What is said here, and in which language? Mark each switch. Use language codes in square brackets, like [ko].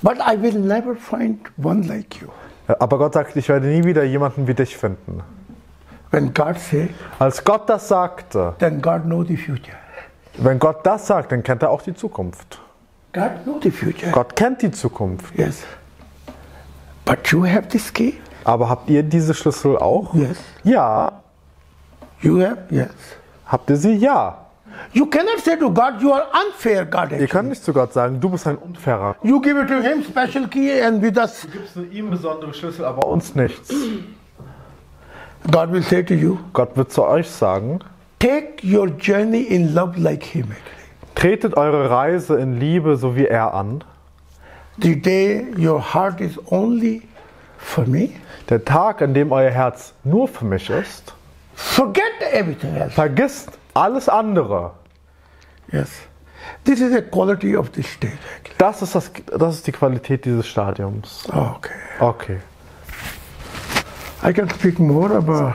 [en] But I will never find one like you. [de] Aber Gott sagt, ich werde nie wieder jemanden wie dich finden. [en] When God say. [de] Als Gott das sagte. [en] Then God know the future. [de] Wenn Gott das sagt, dann kennt er auch die Zukunft. [en] God knows the future. [de] Gott kennt die Zukunft. [en] Yes. But you have this key? [de] Aber habt ihr diese Schlüssel auch? [en] Yes. [de] Ja. [en] You have? Yes. [de] Habt ihr sie? Ja. [en] You cannot say to God, you are unfair, God. [de] Ihr könnt nicht zu Gott sagen, du bist ein Unfairer. [en] You give it to him special key and with us. [de] Du gibst ihm besondere Schlüssel, aber uns nichts. [en] God will say to you. [de] Gott wird zu euch sagen. [en] Take your journey in love like him. [de] Tretet eure Reise in Liebe so wie er an. [en] The day your heart is only for me. [de] Der Tag, an dem euer Herz nur für mich ist. [en] Forget everything else. [de] Vergisst alles andere. [en] Yes. This is the quality of this state. [de] Das ist die Qualität dieses Stadiums. [en] Okay. I can speak more, [de] aber